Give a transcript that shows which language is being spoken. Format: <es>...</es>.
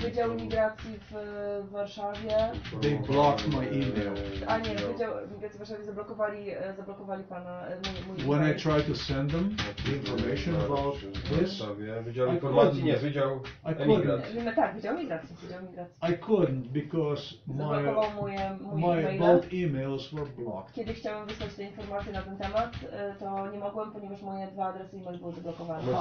<pl>Wydział Imigracji w Warszawie.</pl> <en>They blocked my email.</en> <pl>A nie, Wydział Imigracji w Warszawie zablokowali pana, mój email.</pl> <en>When I tried to send them information about this,</en> <pl>Wydział Informacji, nie, Wydział Imigracji. Tak, Wydział Imigracji, Wydział Imigracji.</pl> <en>I couldn't, because my both emails were blocked.</en> <pl>Kiedy chciałem wysłać te informacje na ten temat, to nie mogłem, ponieważ moje dwa adresy e-mail były zablokowane.</pl>